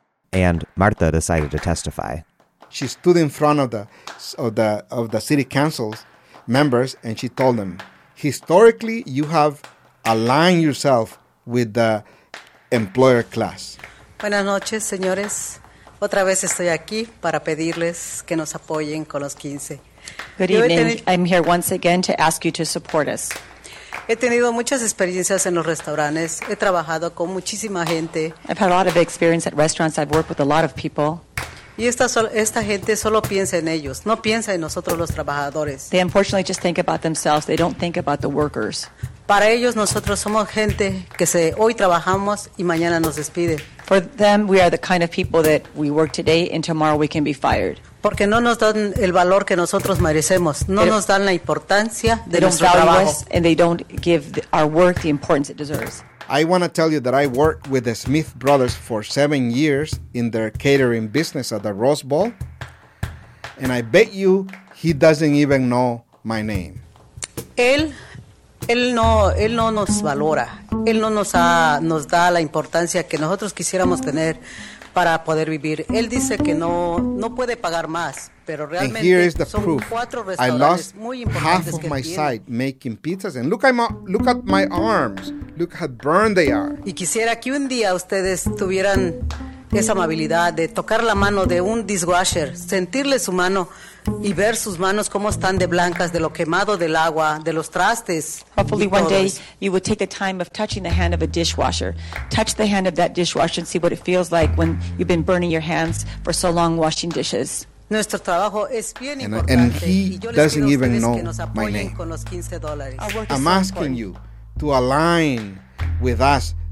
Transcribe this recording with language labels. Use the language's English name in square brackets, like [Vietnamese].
[English] And Marta decided to testify. She stood in front of the city council's members, and she told them, historically, you have aligned yourself with the employer class. [Spanish] Buenas noches, señores. Otra vez estoy aquí para pedirles que nos apoyen con los 15. [English] Good evening. I'm here once again to ask you to support us. [Spanish] He tenido muchas experiencias en los restaurantes. He trabajado con muchísima gente. [English] I've had a lot of experience at restaurants. I've worked with a lot of people. [Spanish] Y esta gente solo piensa en ellos, no piensa en nosotros los trabajadores. [English] They unfortunately just think about themselves. They don't think about the workers. [Spanish] Para ellos, nosotros somos gente que hoy trabajamos y mañana nos despide. [English] For them, we are the kind of people that we work today and tomorrow we can be fired. [Spanish] Porque no nos dan el valor que nosotros merecemos. No nos dan la importancia de nuestro trabajo. [English] They don't value us and they don't give our work the importance it deserves. I want to tell you that I worked with the Smith brothers for 7 years in their catering business at the Rose Bowl. And I bet you he doesn't even know my name. [Spanish] Él no nos valora. Él no nos da la importancia que nosotros quisiéramos tener para poder vivir. Él dice que no puede pagar más, pero realmente [English] and here is the [Spanish] son [English] proof. [Spanish] Cuatro restaurantes muy importantes que [English] I lost half of my [Spanish] tiene. [English] Side making pizzas. And look at my arms. Look how burned they are. [Spanish] Y quisiera que un día ustedes tuvieran esa amabilidad de tocar la mano de un dishwasher, sentirle su mano y ver sus manos cómo están de blancas, de lo quemado del agua, de los trastes. [English] Hopefully one day you would take the time of touching the hand of a dishwasher. Touch the hand of that dishwasher and see what it feels like when you've been burning your hands for so long washing dishes. [Spanish] Nuestro trabajo es bien importante. [English] And he doesn't even know my name. [Spanish] Con los $15. [English] I'm asking you to align with us.